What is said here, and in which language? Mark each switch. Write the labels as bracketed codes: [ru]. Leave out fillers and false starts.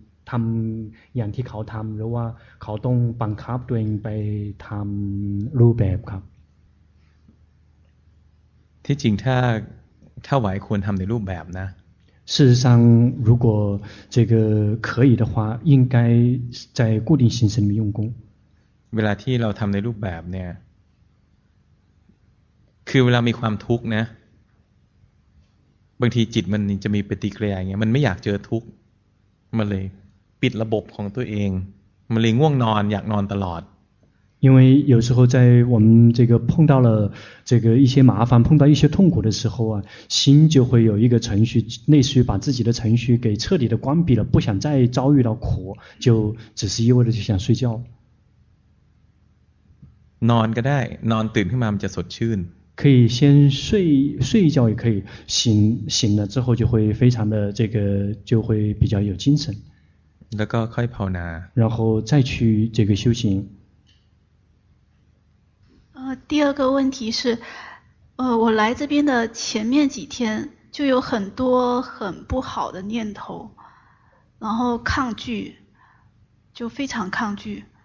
[th] ทำอย่างที่เขาทำหรือว่าเขาต้องบังคับตัวเองไปทำรูปแบบครับ ที่จริงถ้าไหวควรทำในรูปแบบนะ [zh] 事实上如果这个可以的话应该在固定形式里面用功 [th] เวลาที่เราทำในรูปแบบเนี่ยคือเวลามีความทุกข์นะบางทีจิตมันจะมีปฏิกิริยาอย่างเงี้ยมันไม่อยากเจอทุกข์มันเลยปิดระบบของตัวเองมันเลยง่วงนอนอยากนอนตลอด [zh] 因为有时候在我们这个碰到了这个一些麻烦碰到一些痛苦的时候啊心就会有一个程序类似于把自己的程序给彻底的关闭了不想再遭遇到苦就只是意味着就想睡觉 [th] นอนก็ได้นอนตื่นขึ้นมามันจะสดชื่น [zh] 可以先睡一觉也可以醒了之后就会非常的这个就会比较有精神 [th] แล้วก็ค่อยภาวนา [zh] 然后再去这个修行第二个问题是我来这边的前面几天就有很多很不好的念头然后抗拒就非常抗拒